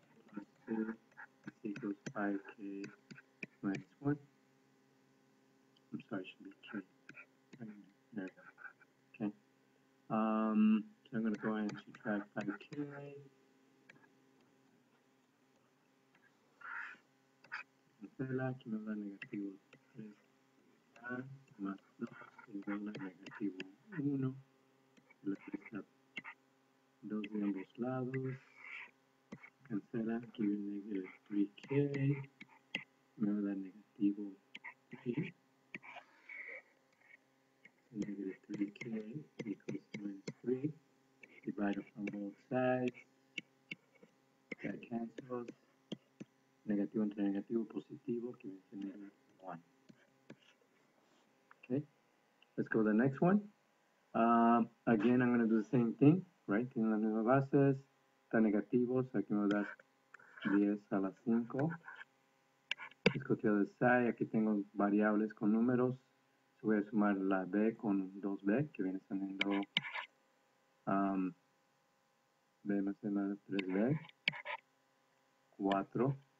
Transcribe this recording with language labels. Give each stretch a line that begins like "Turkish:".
English: Plus 2 is equal to 5k minus 1. I'm sorry, it should be k. There we go. Okay. So I'm going to go ahead and subtract 5k.
Spanish: Cancela, aquí me da negativo 3k más 2, igual a negativo 1. La 3 está 2 de ambos lados. Cancela, aquí viene el 3k. Me da negativo 3. Negativo
English: 3k equals minus 3. Divide from both sides. That cancels.
Spanish: Negativo entre negativo, positivo, que viene siendo 1.
English: Okay, let's go to the next one. Again, I'm going to do the same thing, right?
Spanish: Tienen las mismas bases, están negativos, aquí me voy a dar 10 a la 5.
English: Let's go to the other side,
Spanish: aquí tengo variables con números. So voy a sumar la b con 2b, que viene siendo b más b más 3b, 4.